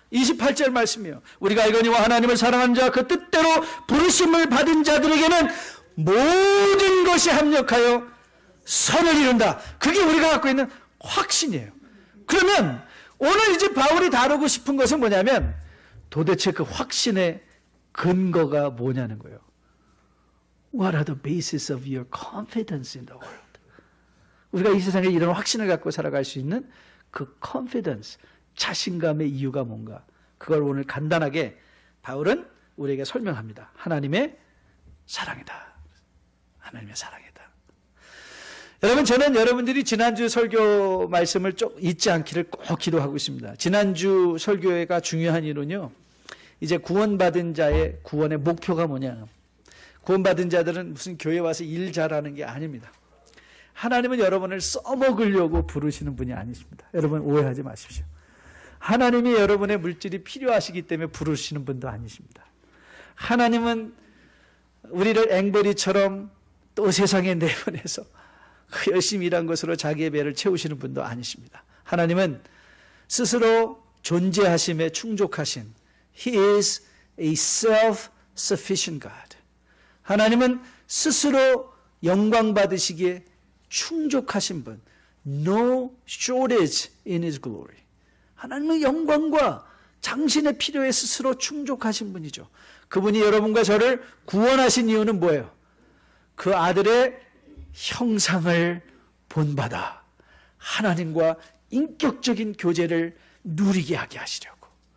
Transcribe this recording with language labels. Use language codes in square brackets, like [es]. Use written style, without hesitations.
[ko] 28절 말씀이요. 우리가 알거니와 하나님을 사랑한 자, 그 뜻대로 부르심을 받은 자들에게는 모든 것이 합력하여 선을 이룬다. 그게 우리가 갖고 있는 확신이에요. 그러면 오늘 이제 바울이 다루고 싶은 것은 뭐냐면 도대체 그 확신의 근거가 뭐냐는 거예요. [en] What are the basis of your confidence in the world? [ko] 우리가 이 세상에 이런 확신을 갖고 살아갈 수 있는 그 confidence, 자신감의 이유가 뭔가. 그걸 오늘 간단하게 바울은 우리에게 설명합니다. 하나님의 사랑이다. 하나님의 사랑이다. 여러분, 저는 여러분들이 지난주 설교 말씀을 쭉 잊지 않기를 꼭 기도하고 있습니다. 지난주 설교회가 중요한 이유는요, 이제 구원받은 자의 구원의 목표가 뭐냐. 구원받은 자들은 무슨 교회 와서 일 잘하는 게 아닙니다. 하나님은 여러분을 써먹으려고 부르시는 분이 아니십니다. 여러분 오해하지 마십시오. 하나님이 여러분의 물질이 필요하시기 때문에 부르시는 분도 아니십니다. 하나님은 우리를 앵벌이처럼 또 세상에 내보내서 그 열심히 일한 것으로 자기의 배를 채우시는 분도 아니십니다. 하나님은 스스로 존재하심에 충족하신 [en] He is a self-sufficient God. [ko] 하나님은 스스로 영광받으시기에 충족하신 분. [en] No shortage in His glory. [ko] 하나님은 영광과 당신의 필요에 스스로 충족하신 분이죠. 그분이 여러분과 저를 구원하신 이유는 뭐예요? 그 아들의 형상을 본받아 하나님과 인격적인 교제를 누리게 하게 하시려고.